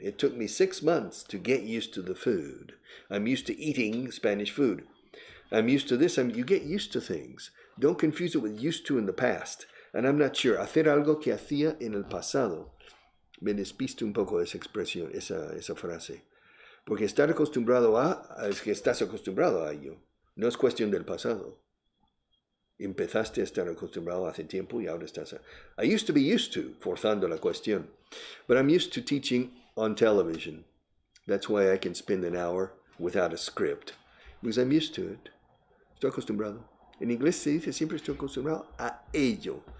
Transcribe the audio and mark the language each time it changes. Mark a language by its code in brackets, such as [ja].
[en] It took me 6 months to get used to the food. I'm used to eating Spanish food. I'm used to this. You get used to things. Don't confuse it with used to in the past. And I'm not sure. [es] Hacer algo que hacía en el pasado. Me despisto un poco esa expresión, esa frase. Porque estar acostumbrado a es que estás acostumbrado a ello. No es cuestión del pasado. Empezaste a estar acostumbrado hace tiempo y ahora estás... [en] I used to be used to, [es] forzando la cuestión. [en] But I'm used to teaching on television. That's why I can spend an hour without a script. Because I'm used to it. [es] Estoy acostumbrado. En inglés se dice siempre estoy acostumbrado a ello.